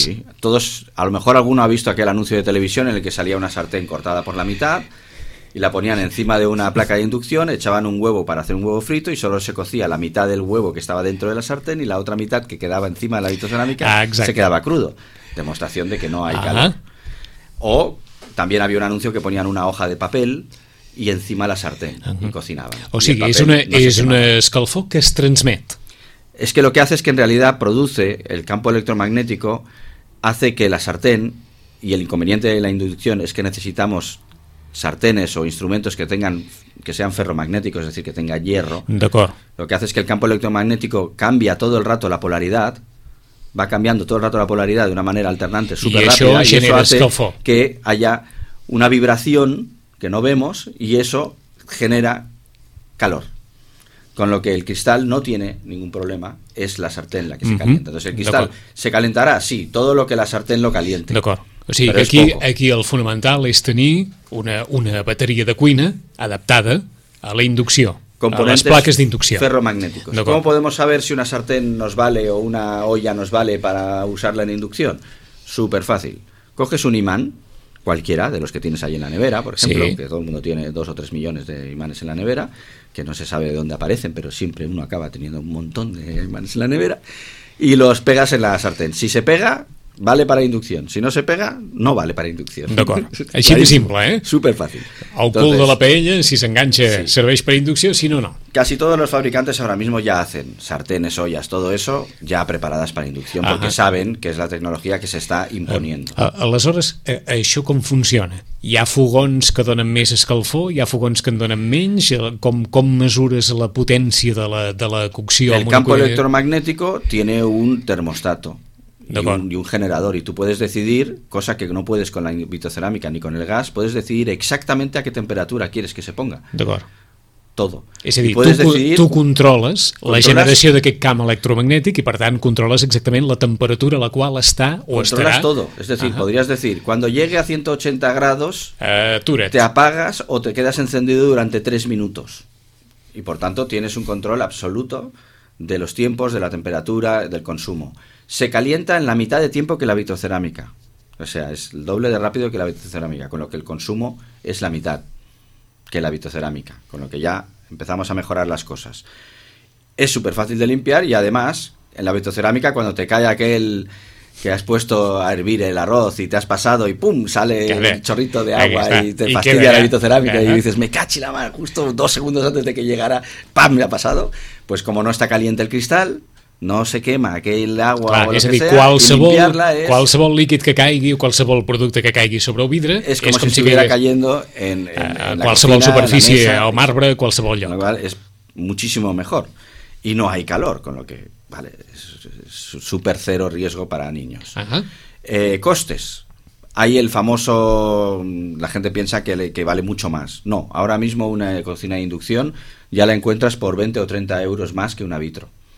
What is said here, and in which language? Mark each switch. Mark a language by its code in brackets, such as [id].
[es] Sí, todos, a lo mejor alguno ha visto aquel anuncio de televisión en el que salía una sartén cortada por la mitad y la ponían encima de una placa de inducción, echaban un huevo para hacer un huevo frito y solo se cocía la mitad del huevo que estaba dentro de la sartén y la otra mitad que quedaba encima de la vitrocerámica se quedaba crudo. Demostración de que no hay calor. O también había un anuncio que ponían una hoja de papel i encima la sartén, [ca] i cocinava. O sigui, és una, no és un escalfor que es transmet. [es] Es que lo que hace es que en realidad produce el campo electromagnético, hace que la sartén, y el inconveniente de la inducción es que necesitamos sartenes o instrumentos que tengan, que sean ferromagnéticos, es decir, que tenga hierro. [ca] D'acord. [es] Lo que hace es que el campo electromagnético cambia todo el rato la polaridad, va cambiando todo el rato la polaridad de una manera alternante, [ca] súper ràpida, i això [es] hace escalfor, que haya una vibración que no vemos y eso genera calor, con lo que el cristal no tiene ningún problema, es la sartén la que se calienta. Entonces el cristal se calentará, sí, todo lo que la sartén lo caliente. [ca] D'acord. O sigui, que aquí el fonamental és tenir una bateria de cuina adaptada a la inducció, components, a les plaques d'inducció. [es] Ferromagnéticos. ¿Cómo podemos saber si una sartén nos vale o una olla nos vale para usarla en inducción? Súper fácil. Coges un imán cualquiera de los que tienes ahí en la nevera, por ejemplo, sí, que todo el mundo tiene 2 o 3 millones de imanes en la nevera, que no se sabe de dónde aparecen, pero siempre uno acaba teniendo un montón de imanes en la nevera, y los pegas en la sartén. Si se pega, vale para inducción. Si no se pega, no vale para inducción. [ca] D'acord. Així de simple, ¿eh? [es] Súper fácil. [ca] El cul de la paella, si s'enganxa, serveix per inducció, si no, no. [es] Casi todos los fabricantes ahora mismo ya hacen sartenes, ollas, todo eso, ya preparadas para inducción, porque saben que es la tecnología que se está imponiendo. [ca] Aleshores, això com funciona? Hi ha fogons que donen més escalfor, hi ha fogons que en donen menys? Com mesures la potència de la cocció? [es] El campo electromagnético tiene un termostato. Y un generador, y tú puedes decidir, cosa que no puedes con la vitrocerámica ni con el gas, puedes decidir exactamente a qué temperatura quieres que se ponga. [ca] D'acord. [es] Todo. [ca] És a dir, tu controles la generació d'aquest camp electromagnètic i, per tant, controles exactament la temperatura a la qual està o estarà. [es] Controles todo. Es decir, podrías decir, cuando llegue a 180 grados, [ca] atura't. [es] Te apagas o te quedas encendido durante 3 minutos. Y, por tanto, tienes un control absoluto de los tiempos, de la temperatura, del consumo. Se calienta en la mitad de tiempo que la vitrocerámica. O sea, es el doble de rápido que la vitrocerámica, con lo que el consumo es la mitad que la vitrocerámica, con lo que ya empezamos a mejorar las cosas. Es súper fácil de limpiar y además, en la vitrocerámica, cuando te cae aquel que has puesto a hervir el arroz y te has pasado y ¡pum! Sale el chorrito de agua y te fastidia la vitrocerámica y dices, me cachi la mano, justo 2 segundos antes de que llegara, ¡pam! Me ha pasado. Pues como no está caliente el cristal, no se quema aquell agua. [ca] Clar, o el és a dir, [es] que sea, [ca] qualsevol, qualsevol líquid que caigui o qualsevol producte que caigui sobre el vidre és com, si estigués [es] cayendo en la [ca] qualsevol [es] cocina, [ca] superfície, [es] en la mesa, [ca] o marbre, qualsevol lloc. [es] Lo cual es muchísimo mejor. Y no hay calor, con lo que, vale, es súper cero riesgo para niños. Ajá. Costes. Hay el famoso, la gente piensa que vale mucho más. No, ahora mismo una cocina de inducción ya la encuentras por 20 o 30 euros más que una vitro.